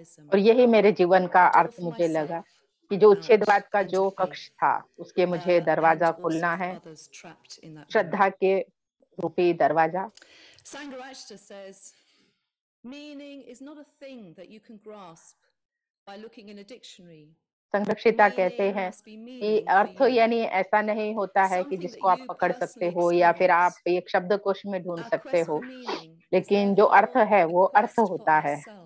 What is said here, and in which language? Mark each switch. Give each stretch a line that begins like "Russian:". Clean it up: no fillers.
Hindi: और यही मेरे जीवन का अर्थ मुझे लगा कि जो उच्छेदवाद का जो कक्ष था उसके मुझे दरवाजा खोलना है, श्रद्धा के रूपी दरवाजा.
English: Sangharajita says, meaning is not a thing that you can grasp by looking in a dictionary.
Hindi: Sangharajita कहते हैं कि अर्थ यानी ऐसा नहीं होता है कि जिसको आप पकड़ सकते हो या फिर आप एक शब्दकोश में ढूंढ सकते हो, लेकिन जो अर्थ है वो अर्थ होता है.